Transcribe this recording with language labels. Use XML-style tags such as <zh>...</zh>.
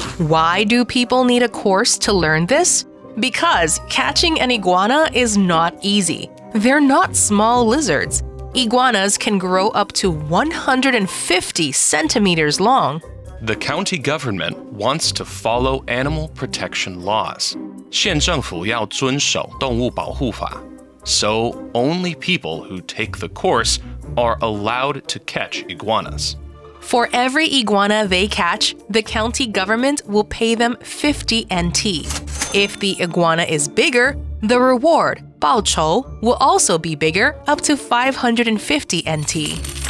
<en>Why do people need a course to learn this? Because catching an iguana is not easy. They're not small lizards. Iguanas can grow up to 150 centimeters long. The county government wants to follow animal protection laws.</en> <zh>縣政府要遵守動物保護法。</zh> <en>So only people who take the course are allowed to catch iguanas. For every iguana they catch, the county government will pay them 50 NT. If the iguana is bigger, the reward, 报酬, will also be bigger, up to 550 NT.</en>